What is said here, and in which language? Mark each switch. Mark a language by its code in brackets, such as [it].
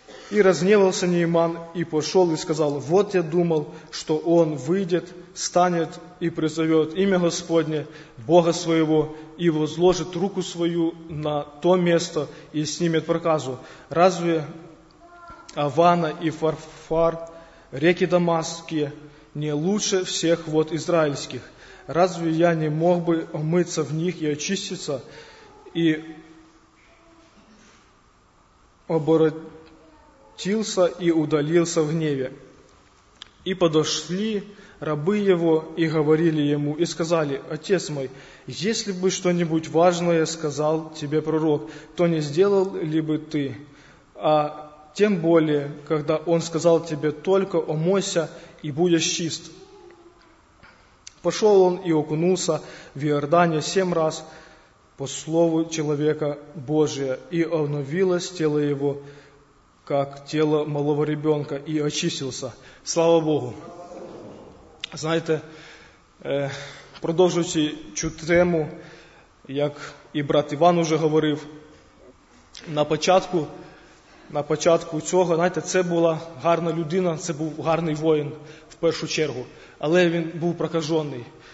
[uk] І розгнівався Нейман, і пішов, і сказав: «Вот я думав, що он вийде, стане і призове ім'я Господнє, Бога своєго, і возложить руку свою на то місце, і зніме проказу. [ru] Разве Авана і Фарфар, реки Дамаски, не лучше всіх вод ізраїльських? Разве я не мог би омитися в них і очиститься, і оборотился і удалился в гневе? [uk] І подошли раби його і говорили йому, і сказали: [ru] «Отец мой, если бы что-нибудь важное сказал тебе пророк, то не сделал ли бы ты? А тем более, когда он сказал тебе только: омойся и будешь чист». Пошел он и окунулся в Иордане 7 раз по слову человека Божия, и обновилось тело его, как тело малого ребенка, и очистился. Слава Богу! [uk] Знаете, продолжаючи цю тему, як і брат Іван уже говорив, на початку цього, знаєте, це була гарна людина, це був гарний воїн в першу чергу, але він був прокажений.